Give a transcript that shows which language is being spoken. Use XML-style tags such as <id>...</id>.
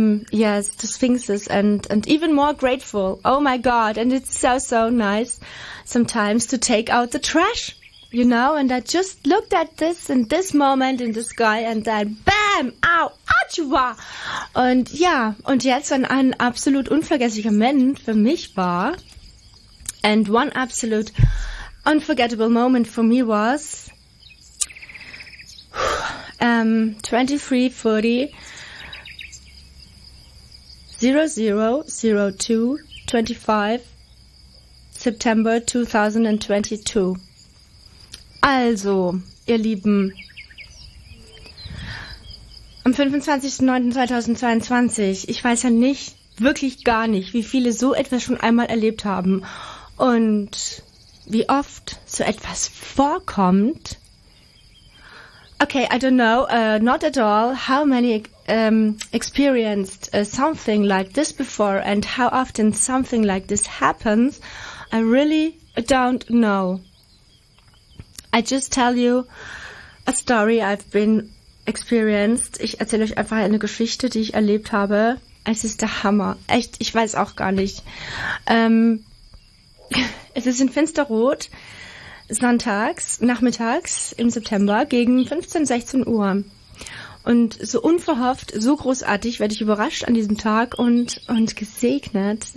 <en>Yes, the sphinxes and even more grateful. Oh my God, and it's so nice sometimes to take out the trash, you know, and I just looked at this in this moment in the sky and then bam, ow, achua.</en> <de>Und ja, und jetzt ein absolut unvergesslicher Moment für mich war,</de> <en>and one absolute unforgettable moment for me was</en> <de>23:40:00:02:25 September 2022. Also, ihr Lieben, am 25.09.2022, ich weiß ja nicht, wirklich gar nicht, wie viele so etwas schon einmal erlebt haben und wie oft so etwas vorkommt.</de> <en>Okay, I don't know, not at all, how many experienced something like this before and how often something like this happens, I really don't know. I just tell you a story I've been experienced.</en> <de>Ich erzähle euch einfach eine Geschichte, die ich erlebt habe. Es ist der Hammer. Echt, ich weiß auch gar nicht. Es ist in Finsterrot. Sonntags, nachmittags im September gegen 15, 16 Uhr. Und so unverhofft, so großartig werde ich überrascht an diesem Tag und gesegnet.</de>